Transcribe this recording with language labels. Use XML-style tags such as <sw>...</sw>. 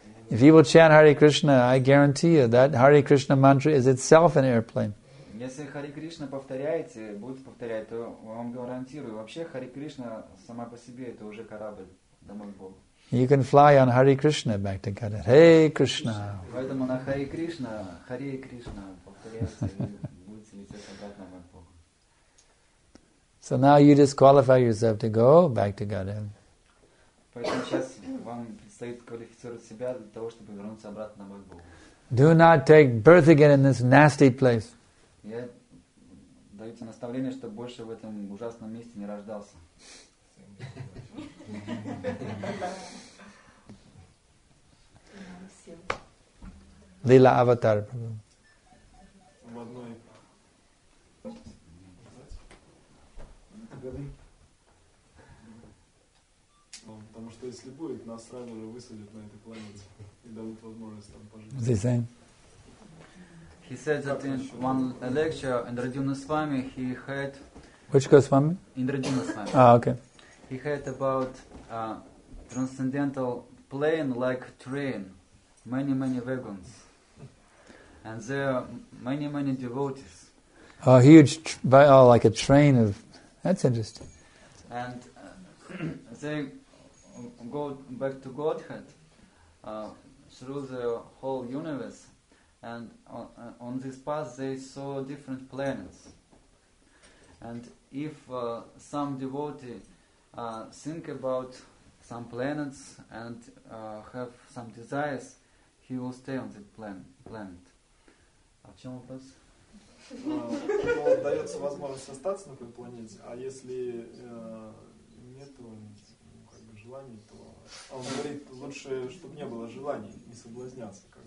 <en>If you will chant Hare Krishna, I guarantee you that Hare Krishna mantra is itself an airplane.</en> <ru>Если Хари Кришна повторяете, будете повторять, то вам гарантирую, вообще Хари Кришна сама по себе это уже корабль, домой Бога.</ru> <en>You can fly on Hare Krishna back to Godhead. Hey Krishna.</en> <ru>Поэтому на Хари Кришна, Хари Кришна повторяйте, будете лететь обратно в Бога.</ru> <en>So now you disqualify yourself to go back to Godhead.</en> <ru>Поэтому сейчас вам предстоит квалифицировать себя для того, чтобы вернуться обратно в Бога.</ru> <en>Do not take birth again in this nasty place.</en> <ru>Я даю тебе наставление, чтобы больше в этом ужасном месте не рождался. Лила Аватар. В одной. Потому что если будет, нас сразу же высадят на этой планете и дадут возможность там пожить.</ru> <en>He said that in one lecture, Indrajuna Swami, he had... Which Goswami? Indrajuna Swami. Ah, okay. He had about transcendental plane like train, many, many wagons. And there are many, many devotees. A huge, like a train of... That's interesting. And they go back to Godhead through the whole universe. And on this path, they saw different planets. And if some devotee think about some planets and have some desires, he will stay on the planet.</en> <ru>О чем вопрос? Дается возможность остаться на какой планете, а если нету желаний, то он говорит, лучше, чтобы не было желаний, не соблазняться.</ru>